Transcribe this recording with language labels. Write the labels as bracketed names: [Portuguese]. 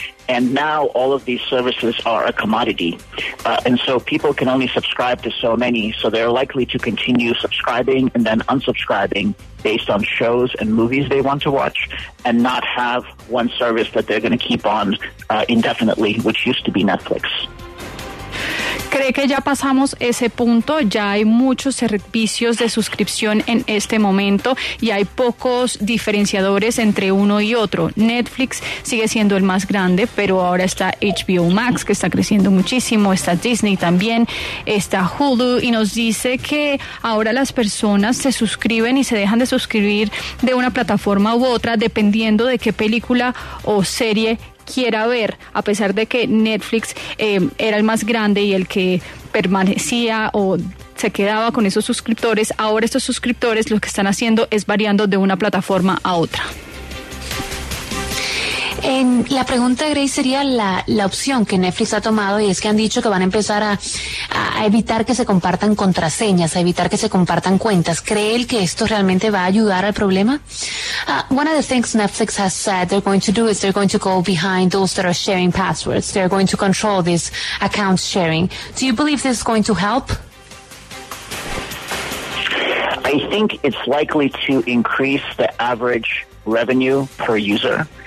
[English] And now all of these services are a commodity. And so people can only subscribe to so many, so they're likely to continue subscribing and then unsubscribing based on shows and movies they want to watch and not have one service that they're going to keep on indefinitely, which used to be Netflix. [Spanish] ¿Cree que ya pasamos ese punto? Ya hay muchos servicios de suscripción en este momento y hay pocos diferenciadores entre uno y otro. Netflix sigue siendo el más grande, pero ahora está HBO Max, que está creciendo muchísimo, está Disney también, está Hulu, y nos dice que ahora las personas se suscriben y se dejan de suscribir de una plataforma u otra dependiendo de qué película o serie quiera ver, a pesar de que Netflix era el más grande y el que permanecía o se quedaba con esos suscriptores, ahora estos suscriptores lo que están haciendo es variando de una plataforma a otra. La pregunta, Grace, sería la opción que Netflix ha tomado, y es que han dicho que van a empezar a evitar que se compartan contraseñas, a evitar que se compartan cuentas. ¿Cree él que esto realmente va a ayudar al problema? [English] One of the things Netflix has said they're going to do is they're going to go behind those that are sharing passwords. They're going to control this account sharing. Do you believe this is going to help? I think it's likely to increase the average revenue per user.